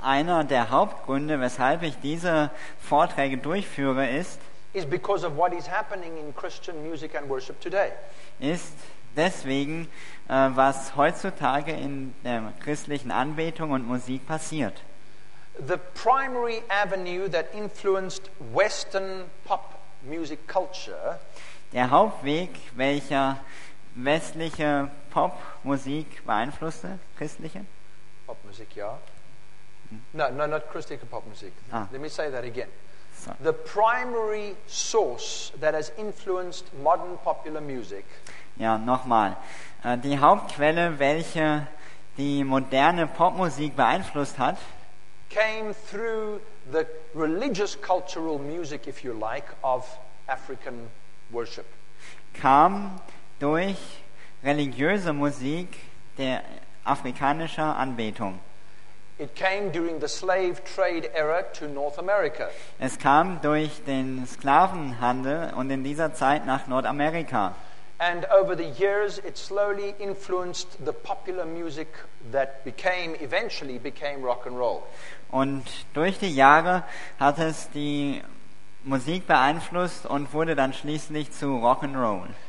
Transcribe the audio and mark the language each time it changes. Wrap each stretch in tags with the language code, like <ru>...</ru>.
<de>einer der Hauptgründe, weshalb ich diese Vorträge durchführe, ist</de> <en>because of what is happening in Christian music and worship today.</en> <de>Ist deswegen, was heutzutage in der christlichen Anbetung und Musik passiert.</de> <en>The primary avenue that influenced Western pop music culture,</en> <de>der Hauptweg, welcher westliche Popmusik beeinflusste, christliche? Popmusik, ja.</de> <en>No, not</en> <de>christliche Popmusik.</de> <en>Ah. Let me say that again. Sorry. The primary source that has influenced modern popular music.</en> <de>Ja, nochmal. Die Hauptquelle, welche die moderne Popmusik beeinflusst hat,</de> <en>came through the religious cultural music, if you like, of African worship.</en> <de>Kam durch religiöse Musik der afrikanischer Anbetung.</de> <en>It came during the slave trade era to North America.</en> <de>Es kam durch den Sklavenhandel und in dieser Zeit nach Nordamerika.</de> <en>And over the years it slowly influenced the popular music that eventually became rock and roll.</en> <de>Und durch die Jahre hat es die Musik beeinflusst und wurde dann schließlich zu Rock and Roll.</de>